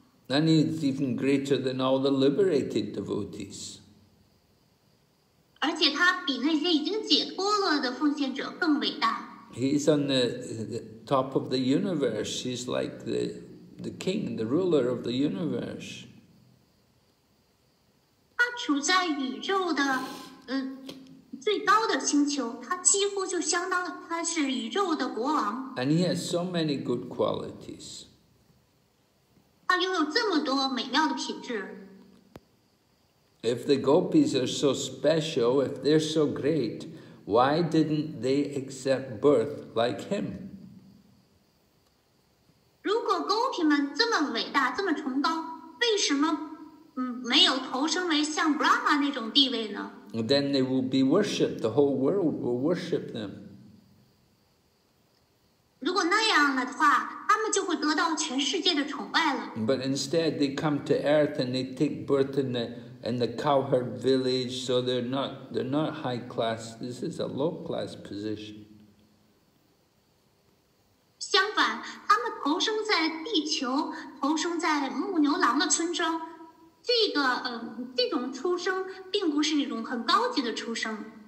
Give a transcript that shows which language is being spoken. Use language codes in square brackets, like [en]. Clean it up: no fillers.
[en] And he's even greater than all the liberated devotees. [zh] 而且他比那些已经解脱了的奉献者更伟大。 [en] He's on the top of the universe. He's like the king, the ruler of the universe. [zh] 他处在宇宙的最高的星球，他几乎就相当他是宇宙的国王。 [en] And he has so many good qualities. [zh] 他拥有这么多美妙的品质。 [en] If the gopis are so special, if they're so great, why didn't they accept birth like him? [zh] 如果 gopi 们这么伟大，这么崇高，为什么没有投生为像 Brahma 那种地位呢？ [en] Then they will be worshipped. The whole world will worship them. [zh] 如果那样的话，他们就会得到全世界的崇拜了。 [en] But instead, they come to earth and they take birth in the cowherd village, so they're not high class. This is a low class position. [zh] 相反，他们投生在地球，投生在牧牛郎的村庄，这种出生并不是一种很高级的出生。